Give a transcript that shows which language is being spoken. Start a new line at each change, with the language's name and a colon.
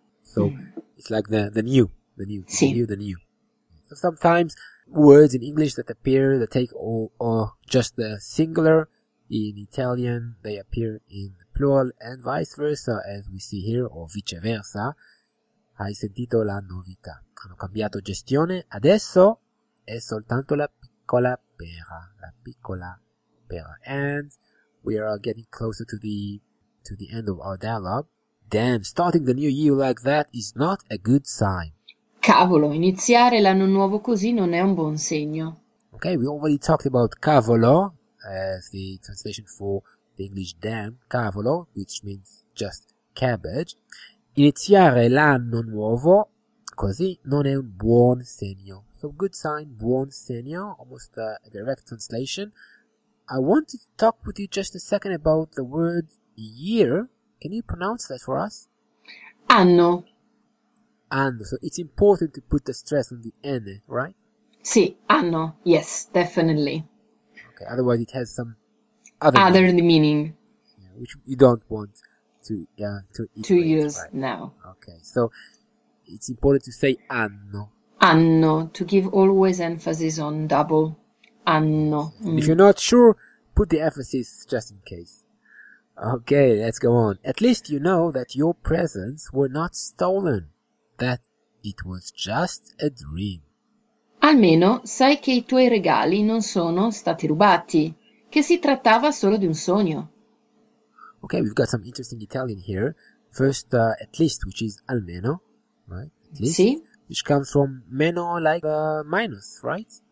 English: So, It's like the new, the new,
Italian: sì.
English: The new, the new. So sometimes words in English that appear, that take all, or just the singular in Italian, they appear in plural and vice versa, as we see here, or viceversa.
Italian: Hai sentito la novità? Hanno cambiato gestione. Adesso è soltanto la piccola pera, la piccola pera.
English: And we are getting closer to the end of our dialogue. Damn, starting the new year like that is not a good sign.
Italian: Cavolo, iniziare l'anno nuovo così non è un buon segno.
English: Okay, we already talked about cavolo as the translation for the English damn, cavolo, which means just cabbage.
Italian: Iniziare l'anno nuovo così non è un buon segno.
English: So, good sign,
Italian: buon segno,
English: almost a direct translation. I wanted to talk with you just a second about the word year. Can you pronounce that for us?
Italian: Anno. Anno.
English: So it's important to put the stress on the N, right?
Italian: Sì, anno.
English: Yes, definitely. Okay, otherwise it has some other meaning. Meaning. Yeah, which you don't want to use right now. Okay, so it's important to say anno. Anno, to give always emphasis on double. Anno. Mm. If you're not sure, put the emphasis just in case. Okay, let's go on. At least you know that your presents were not stolen, that it was just a dream.
Italian: Almeno sai che i tuoi regali non sono stati rubati, che si trattava solo di un sogno.
English: Okay, we've got some interesting Italian here. First, at least, which is almeno, right? At least,
Italian: sì.
English: Which comes from meno, like minus, right?